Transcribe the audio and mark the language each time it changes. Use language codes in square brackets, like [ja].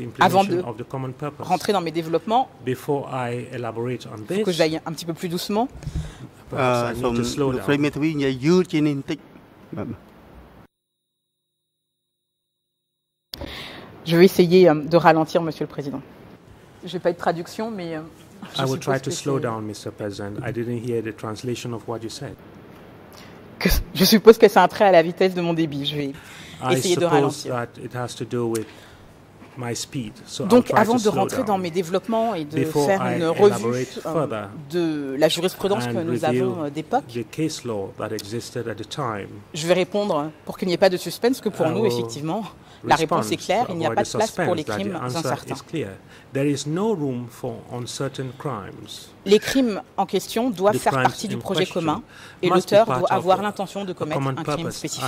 [fr] Avant de rentrer dans mes développements, il faut que j'aille un petit peu plus doucement. Je vais essayer de ralentir, Monsieur le Président. Je vais pas être traduction, mais [en] I will try to slow down, Mr. President. I didn't hear the translation of what you said. [fr] Je suppose que c'est un trait à la vitesse de mon débit. Je vais essayer de ralentir. [en] That it has to do with my speed. So [fr] donc, avant de rentrer dans mes développements et de faire une revue de la jurisprudence que nous avons d'époque, [en] the case law that existed at the time, [fr] je vais répondre pour qu'il n'y ait pas de suspense que pour nous, effectivement, la réponse est claire, il n'y a pas de place pour les crimes incertains. [en] There is no room for uncertain crimes. [fr] Les crimes en question doivent faire partie du projet commun et l'auteur doit avoir l'intention de commettre un crime spécifique.